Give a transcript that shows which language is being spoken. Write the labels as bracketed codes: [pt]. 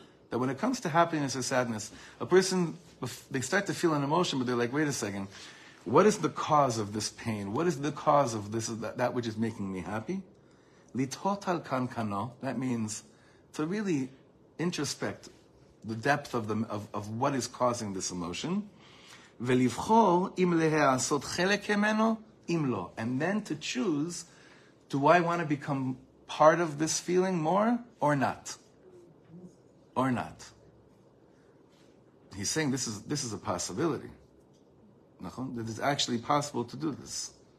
[en] That when it comes to happiness or sadness, a person, they start to feel an emotion, but they're like, wait a second, what is the cause of this pain? What is the cause of this, that which is making me happy? [he] Litot al kankano, [en] that means to really introspect the depth of what is causing this emotion. [he] ולבחור אם להעשות חלק ממנו, אם לא. [en] And then to choose, do I want to become part of this feeling more or not? Or not. He's saying this is a possibility. נכון? That it's actually possible to do this.